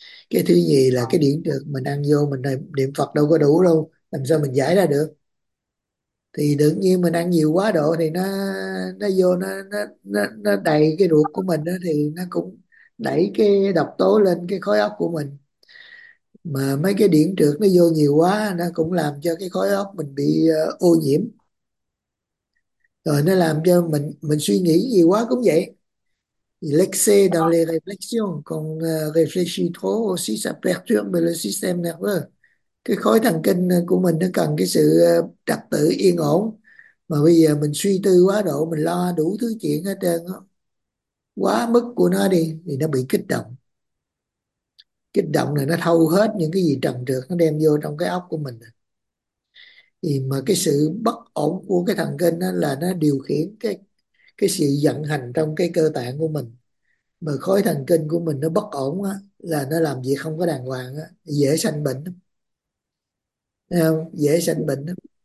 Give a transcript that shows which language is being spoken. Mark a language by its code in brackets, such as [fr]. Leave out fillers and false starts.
[vi] Cái thứ nhì là cái điển trược mình ăn vô, mình niệm Phật đâu có đủ đâu, làm sao mình giải ra được, thì đương nhiên mình ăn nhiều quá độ thì nó vô nó đầy cái ruột của mình đó, thì nó cũng đẩy cái độc tố lên cái khối óc của mình, mà mấy cái điển trược nó vô nhiều quá nó cũng làm cho cái khối óc mình bị ô nhiễm, rồi nó làm cho mình suy nghĩ nhiều quá cũng vậy. [fr] Lexé dans les réflexions qu'on réfléchit trop aussi ça perturbe le système nerveux. [vi] Cái khối thần kinh của mình nó cần cái sự trật tự yên ổn, mà bây giờ mình suy tư quá độ, mình lo đủ thứ chuyện hết trơn đó. Quá mức của nó đi thì nó bị kích động, kích động này nó thâu hết những cái gì trần trược nó đem vô trong cái óc của mình, thì mà cái sự bất ổn của cái thần kinh đó là nó điều khiển cái sự vận hành trong cái cơ tạng của mình, mà khối thần kinh của mình nó bất ổn đó, là nó làm việc không có đàng hoàng đó, dễ sanh bệnh lắm. Thấy không? Dễ sanh bệnh lắm.